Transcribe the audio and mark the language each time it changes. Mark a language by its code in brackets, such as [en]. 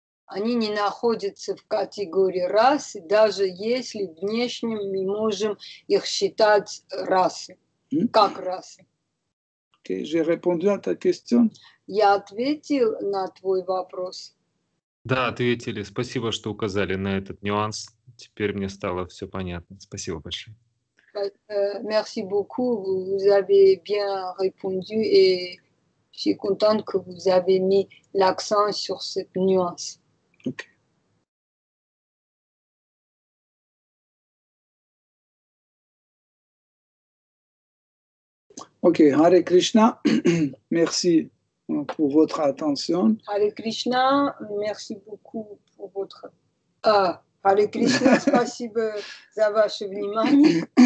[ru] Они не находятся в категории расы, даже если внешне мы можем их считать расы, как расы. [fr] Okay, j'ai répondu à ta question. [ru] Я ответил на твой вопрос. Да, ответили. Спасибо, что указали на этот нюанс. Теперь мне стало все понятно. Спасибо большое. [fr] Merci beaucoup. Vous avez bien répondu et je suis contente que vous avez mis l'accent sur cette nuance. Ok. Ok, Hare Krishna, merci pour votre attention. Hare Krishna, merci beaucoup pour votre... [ru] Hare Krishna, [fr] merci [ru] за ваше внимание.